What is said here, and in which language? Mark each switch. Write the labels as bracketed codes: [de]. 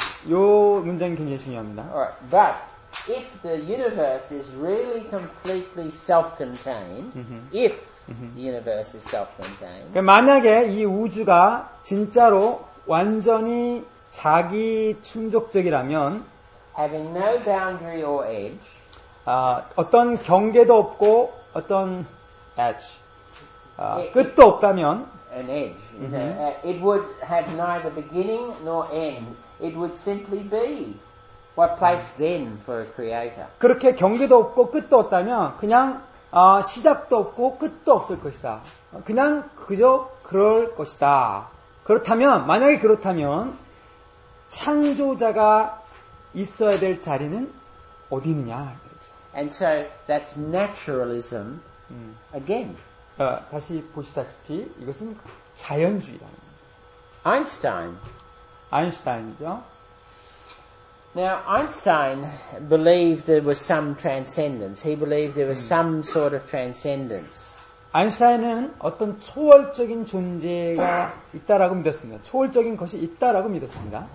[ko] 요 문장이 굉장히 중요합니다. [en] But if the universe is really completely self-contained, if the universe is self-contained. [ko] 만약에 이 우주가 진짜로 완전히 자기 충족적이라면, [en] having no boundary or edge, [ko] 어떤 경계도 없고 어떤 [en] edge, [ko] 끝도 없다면, [en] an edge, it would have neither beginning nor end. It would simply be. What place then for a creator? [ko] 그렇게 경계도 없고 끝도 없다면 그냥 시작도 없고 끝도 없을 것이다. 그냥 그저 그럴 것이다. 만약에 그렇다면 창조자가 있어야 될 자리는 어디 있느냐? [en] And so that's naturalism again. [ko] 다시 보시다시피 이것은 자연주의라는 겁니다. [en] Einstein이죠. Now, Einstein believed there was some transcendence. He believed there was some sort of transcendence. [ko] 아인슈타인은 어떤 초월적인 존재가 있다라고 믿었습니다. 초월적인 것이 있다라고 믿었습니다.